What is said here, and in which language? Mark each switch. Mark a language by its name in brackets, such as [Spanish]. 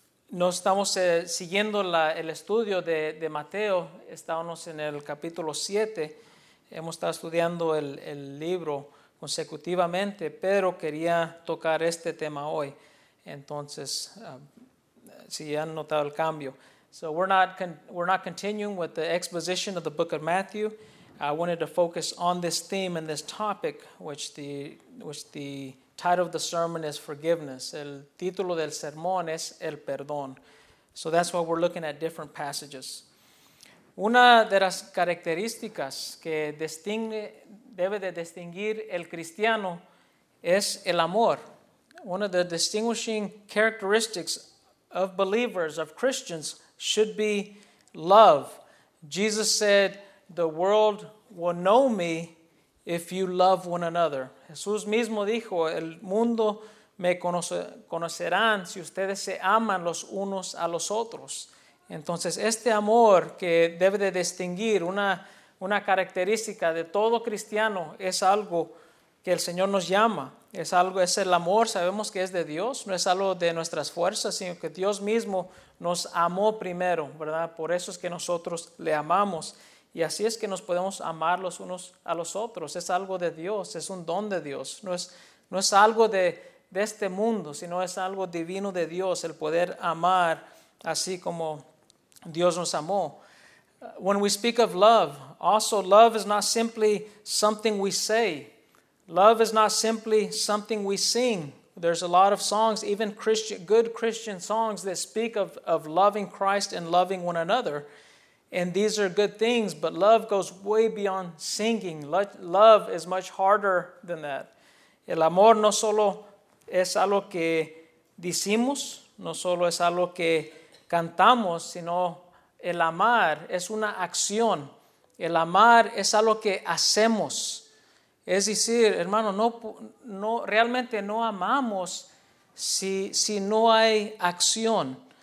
[Spanish] Nos estamos siguiendo el estudio de Mateo. Estábamos en el capítulo 7. Hemos estado estudiando el libro consecutivamente, pero quería tocar este tema hoy. Entonces, si han notado el cambio. [English] So we're not continuing with the exposition of the book of Matthew. I wanted to focus on this theme and this topic, which the title of the sermon is forgiveness. [Spanish] El título del sermón es el perdón. [English] So that's why we're looking at different passages. [Spanish] Una de las características que debe distinguir el cristiano es el amor. [English] One of the distinguishing characteristics of believers, of Christians, should be love. Jesus said, "The world will know me if you love one another." [Spanish] Jesús mismo dijo, "El mundo me conocerán si ustedes se aman los unos a los otros." Entonces, este amor que debe de distinguir una característica de todo cristiano es algo que el Señor nos llama. Es el amor, sabemos que es de Dios, no es algo de nuestras fuerzas, sino que Dios mismo nos amó primero, ¿verdad? Por eso es que nosotros le amamos. Y así es que nos podemos amar los unos a los otros. Es algo de Dios, es un don de Dios. No es algo de este mundo, sino es algo divino de Dios, el poder amar así como Dios nos amó. [English] When we speak of love, also love is not simply something we say. Love is not simply something we sing There's a lot of songs, even Christian, good Christian songs, that speak of loving Christ and loving one another. And these are good things, but love goes way beyond singing. Love is much harder than that. [Spanish] El amor no solo es algo que decimos, no solo es algo que cantamos, sino el amar es una acción. El amar es algo que hacemos. Es decir, hermano, no realmente no amamos si no hay acción.